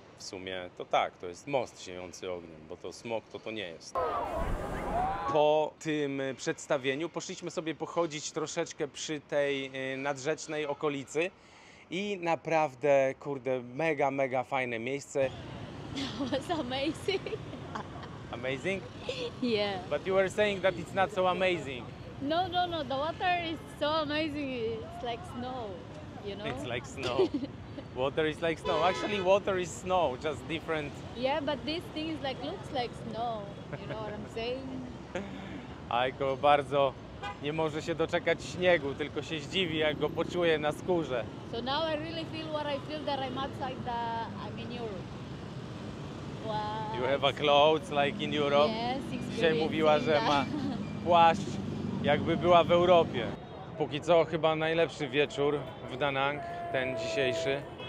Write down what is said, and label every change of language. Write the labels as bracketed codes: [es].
[pl] W sumie to tak, to jest most siejący ogniem, bo to smok to nie jest. Po tym przedstawieniu poszliśmy sobie pochodzić troszeczkę przy tej nadrzecznej okolicy i naprawdę, kurde, mega, mega fajne miejsce. [en] That was amazing. Amazing? Yeah. But you were saying that it's not so amazing. No, no, no, the water is so amazing, it's like snow, you know? It's like snow. Water is like snow. Actually, water is snow, just different. Yeah, but this thing is like looks like snow. You know what I'm saying? [pl] Aiko, bardzo nie może się doczekać śniegu, tylko się zdziwi, jak go poczuje na skórze. [en] So now I really feel what I feel that I'm outside the, I'm in Europe. What? You have a clothes like in Europe? Yes, experience. [pl] Dzisiaj mówiła, że ma płaszcz, jakby była w Europie. Póki co chyba najlepszy wieczór w Da Nang, ten dzisiejszy.